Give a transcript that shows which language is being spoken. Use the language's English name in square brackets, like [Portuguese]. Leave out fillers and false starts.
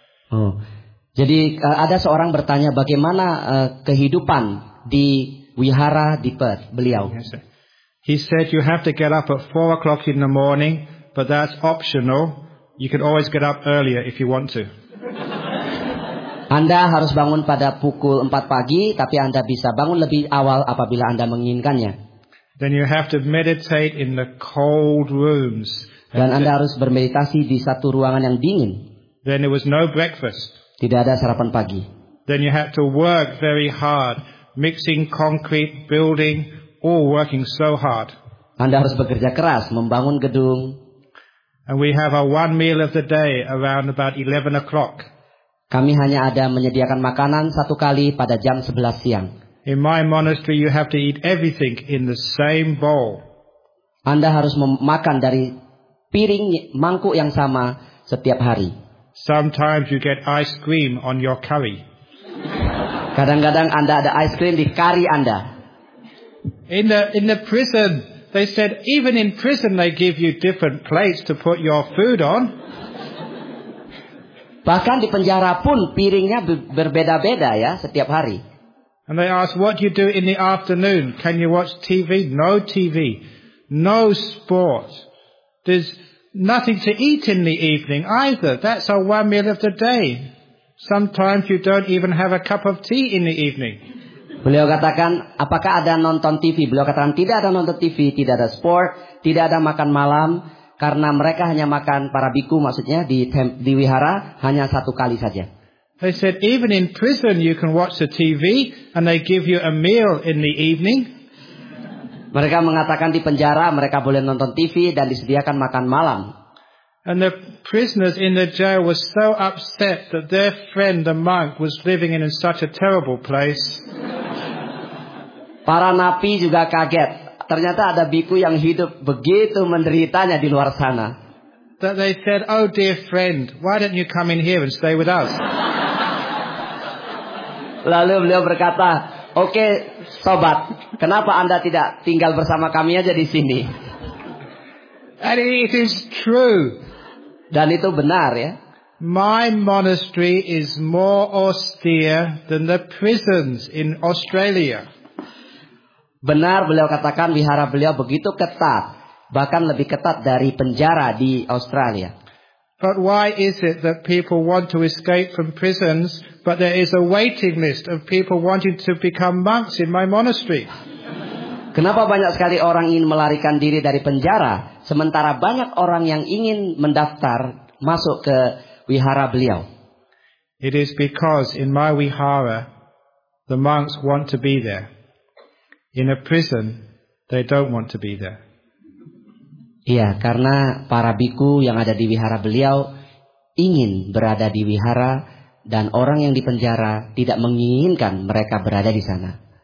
[Indonesian] Oh. Jadi ada seorang bertanya bagaimana kehidupan di wihara di Perth beliau. [English] Yes, he said you have to get up at 4:00 in the morning, but that's optional. You can always get up earlier if you want to. [Indonesian] Anda harus bangun pada pukul 4 pagi, tapi Anda bisa bangun lebih awal apabila Anda menginginkannya. [English] Then you have to meditate in the cold rooms. [Indonesian] Dan Anda harus bermeditasi di satu ruangan yang dingin. [English] Then there was no breakfast. [Indonesian] Tidak ada sarapan pagi. [English] Then you had to work very hard, mixing concrete, building, all working so hard. [Indonesian] Anda harus bekerja keras membangun gedung. [English] And we have a one meal of the day around about 11:00. [Indonesian] Kami hanya ada menyediakan makanan satu kali pada jam 11 siang. [English] In my monastery you have to eat everything in the same bowl. [Indonesian] Anda harus makan dari piring mangkuk yang sama setiap hari. [English] Sometimes you get ice cream on your curry. [Indonesian] Kadang-kadang Anda ada ice cream di kari Anda. [English] In the prison, they said even in prison they give you different plates to put your food on. [Indonesian] Bahkan di penjara pun piringnya berbeda-beda ya setiap hari. [English] And they ask, what do you do in the afternoon? Can you watch TV? No TV. No sports. There's nothing to eat in the evening either. That's a one meal of the day. Sometimes you don't even have a cup of tea in the evening. [Indonesian] Beliau katakan, apakah ada nonton TV? Beliau katakan, tidak ada nonton TV, tidak ada sport, tidak ada makan malam. Karena mereka hanya makan, para biku maksudnya, di wihara, hanya satu kali saja. [English] They said, even in prison you can watch the TV and they give you a meal in the evening. [Indonesian] Mereka mengatakan di penjara mereka boleh nonton TV dan disediakan makan malam. [English] And the prisoners in the jail were so upset that their friend, the monk, was living in such a terrible place. [Indonesian] Para napi juga kaget. Ternyata ada biku yang hidup begitu menderitanya di luar sana. [English] That they said, oh dear friend, why don't you come in here and stay with us? [Indonesian] Lalu beliau berkata, oke, sobat, kenapa Anda tidak tinggal bersama kami aja di sini? [English] And it is true. [Indonesian] Dan itu benar ya. [English] My monastery is more austere than the prisons in Australia. [Indonesian] Benar, beliau katakan wihara beliau begitu ketat, bahkan lebih ketat dari penjara di Australia. [English] But why is it that people want to escape from prisons, but there is a waiting list of people wanting to become monks in my monastery? [Indonesian] Kenapa banyak sekali orang ingin melarikan diri dari penjara, sementara banyak orang yang ingin mendaftar masuk ke wihara beliau? [English] It is because in my wihara, the monks want to be there. In a prison, they don't want to be there. [Indonesian] Iya, karena para biku yang ada di wihara beliau ingin berada di wihara dan orang yang di penjara tidak menginginkan mereka berada di sana.